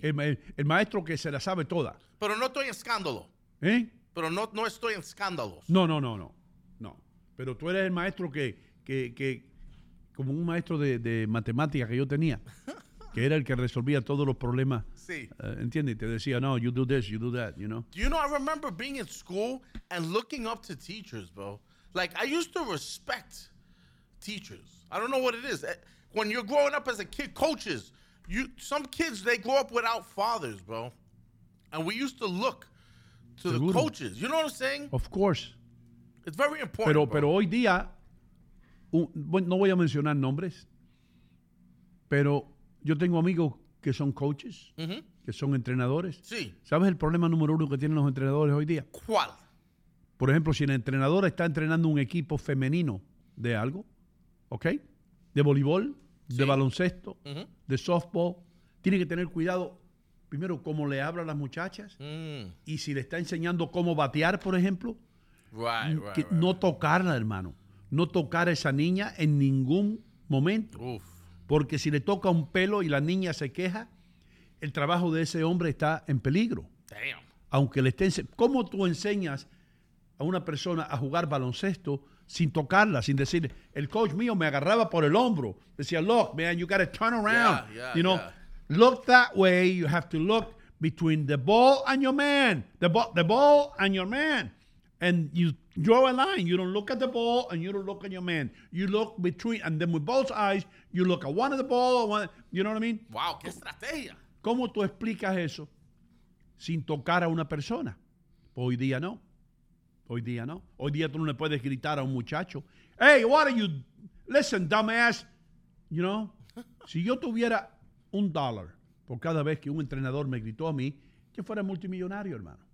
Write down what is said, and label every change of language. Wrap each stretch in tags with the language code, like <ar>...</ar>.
<es>El maestro que se la sabe toda. Pero no estoy en escándalo. ¿Eh? Pero no estoy en escándalos. No. Pero tú eres el maestro que como un maestro de matemática que yo tenía, que era el que resolvía todos los problemas. Sí. ¿Entiendes? Te decía, no,</es> <en>you do this, you do that, you know? Do you know, I remember being in school and looking up to teachers, bro. Like, I used to respect teachers. I don't know what it is. When you're growing up as a kid, coaches, you some kids, they grow up without fathers, bro. And we used to look to the coaches. You know what I'm saying? Of course. It's very important,</en> <es>pero hoy día, no voy a mencionar nombres, pero yo tengo amigos que son coaches, uh-huh, que son entrenadores. Sí. ¿Sabes el problema número uno que tienen los entrenadores hoy día? ¿Cuál? Por ejemplo, si el entrenador está entrenando un equipo femenino de algo, ¿ok? De voleibol, sí, de baloncesto, uh-huh, de softball. Tiene que tener cuidado, primero, cómo le habla a las muchachas. Mm. Y si le está enseñando cómo batear, por ejemplo.</es> <en>Right.</en> <es>No tocarla, hermano. No tocar a esa niña en ningún momento. Uf. Porque si le toca un pelo y la niña se queja, el trabajo de ese hombre está en peligro.</es> <en>Damn.</en> <es>Aunque le estén... ¿Cómo tú enseñas a una persona a jugar baloncesto sin tocarla, sin decirle? El coach mío me agarraba por el hombro. Decía,</es> <en>look, man, you got to turn around. Yeah, yeah, you know, yeah. Look that way. You have to look between the ball and your man. The ball and your man. And you draw a line. You don't look at the ball and you don't look at your man. You look between, and then with both eyes, you look at one of the ball, one, you know what I mean?</en> <es>Wow, qué estrategia. ¿Cómo tú explicas eso sin tocar a una persona? Hoy día no. Hoy día no. Hoy día tú no le puedes gritar a un muchacho,</es> <en>hey, what are you, listen, dumbass. You know?</en> <es>Si yo tuviera un dólar por cada vez que un entrenador me gritó a mí, yo fuera multimillonario, hermano.</es>